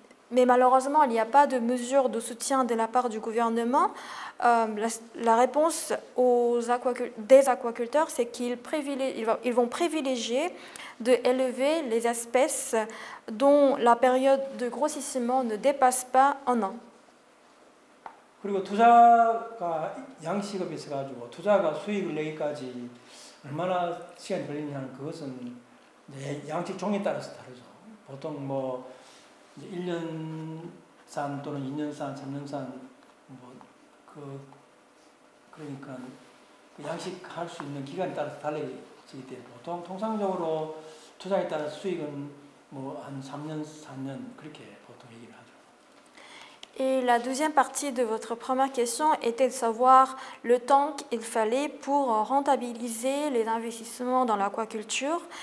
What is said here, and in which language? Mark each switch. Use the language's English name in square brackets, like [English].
[French] Mais malheureusement, il n'y a pas de mesures de soutien de la part du gouvernement. La réponse des aquaculteurs, c'est qu'ils vont privilégier d'élever les espèces dont la période de grossissement ne dépasse pas un an. [Korean] 그리고 투자가 양식업에 있어가지고 투자가 수익을 내기까지 얼마나 시간이 걸리냐는 그것은 이제 양식 종에 따라서 다르죠. 보통 뭐 이제 1년 산 또는 2년 산, 3년 산 뭐 그러니까 양식 할 수 있는 기간에 따라서 달라지기 때문에 보통 통상적으로 투자에 따라서 수익은 뭐 한 3년, 4년 그렇게 보통 얘기를 하죠. [French] Et la deuxième partie de votre première question était de savoir le temps qu'il fallait pour rentabiliser les investissements dans l'aquaculture.